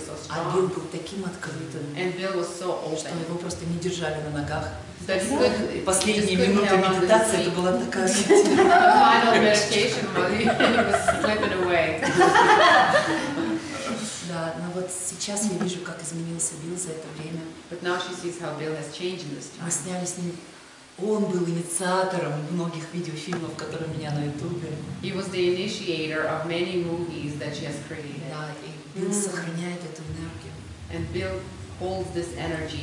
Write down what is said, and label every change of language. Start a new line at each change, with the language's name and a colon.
Russian: А Билл был таким открытым. Что его просто не держали на ногах. Последние минуты медитации это была такая.
English: Final meditation, slipping away.
Russian: Да, но вот сейчас я вижу, как изменился Билл за это время.
English: But now she sees how Bill has changed in this time.
Russian: Мы сняли с ним. Он был инициатором многих видеофильмов, которые у меня на YouTube.
English: He was the initiator of many movies that she has created.
Russian: Да, и Билл сохраняет эту энергию.
English: And Bill holds this energy.